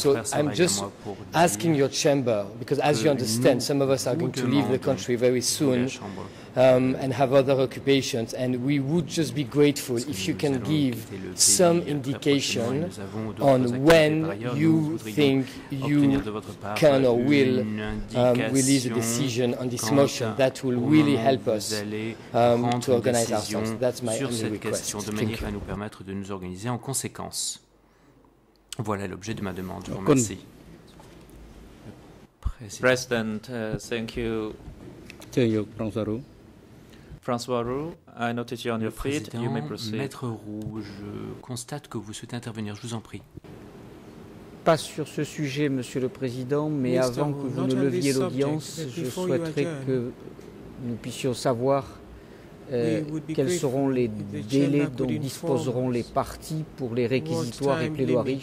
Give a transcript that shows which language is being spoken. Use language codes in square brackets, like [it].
[en] So I'm just asking your chamber, because as you understand, some of us are going to leave the country very soon and have other occupations, and we would just be grateful if you can give some indication on when you think you can or will release a decision on this motion. That will really help us to organize ourselves. That's my only request. Thank you. [fr] À nous permettre de nous organiser en conséquence. Voilà l'objet de ma demande. Merci. [en] President, thank you. Thank you, François Roux. François Roux, I noticed you on your feet. You may proceed. [fr] Maître Roux, je constate que vous souhaitez intervenir. Je vous en prie. Pas sur ce sujet, Monsieur le Président, mais avant que vous ne leviez l'audience, je souhaiterais que nous puissions savoir quels seront les délais dont disposeront les parties pour les réquisitoires et plaidoiries.